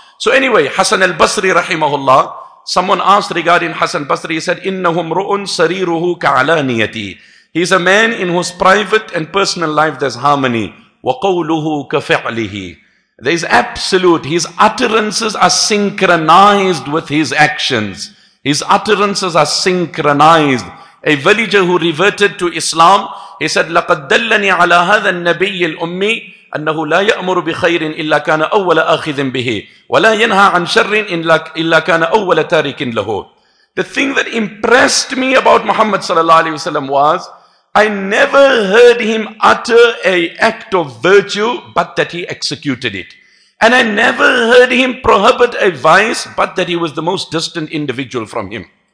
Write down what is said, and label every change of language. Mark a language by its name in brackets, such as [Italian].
[English] So anyway, Hasan al-Basri rahimahullah, someone asked regarding Hasan al-Basri, he said, innahum ru'un sariruhu ka'alaniyati. He's a man in whose private and personal life there's harmony. [Arabic] وَقَوْلُهُ كَفِعْلِهِ. [English] There is absolute, his utterances are synchronized with his actions. His utterances are synchronized. A villager who reverted to Islam, he said, [Arabic] لَقَدْ دَلَّنِي عَلَىٰ هَذَا النَّبِيِّ الْأُمِّ أَنَّهُ لَا يَأْمُرُ بِخَيْرٍ إِلَّا كَانَ أَوَّلَ آخِذٍ بِهِ وَلَا يَنْهَىٰ عَنْ شَرٍ إِلَّا كَانَ أَوَّلَ تَارِكٍ لَهُ. [English] The thing that impressed me about Muhammad sallallahu alaihi wasallam was, I never heard him utter an act of virtue but that he executed it. And I never heard him prohibit a vice but that he was the most distant individual from him.